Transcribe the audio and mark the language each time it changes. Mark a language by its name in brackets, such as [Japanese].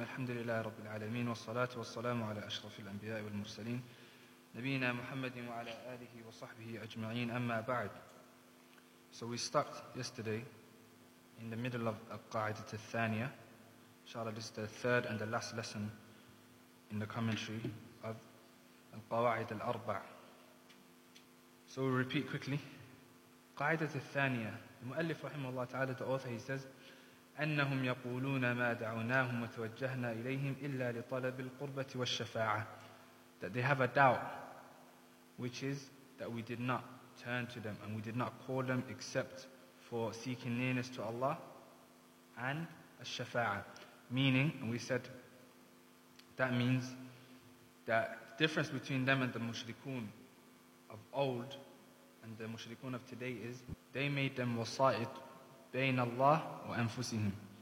[Arabic] الحمد لله رب العالمين، والصلاة والسلام على أشرف الأنبياء والمرسلين نبينا محمد وعلى آله وصحبه أجمعين، أما بعد. [English] So we stopped yesterday in the middle of القاعدة الثانية. Inshallah, this is the third and the last lesson in the commentary of القواعد الأربع. So we repeat quickly. قاعدة الثانية. [Arabic] المؤلف رحمه الله تعالى, [English] the author, he says, [Arabic] أنهم يقولون ما دعوناهم وتوجهنا إليهم إلا لطلب القربة والشفاعة. [English] That they have a doubt, which is that we did not turn to them and we did not call them except for seeking nearness to Allah and الشفاعة. Meaning, and we said, that means that the difference between them and the mushrikun of old and the mushrikun of today is they made them wasa'it [Arabic] بين الله وأنفسهم.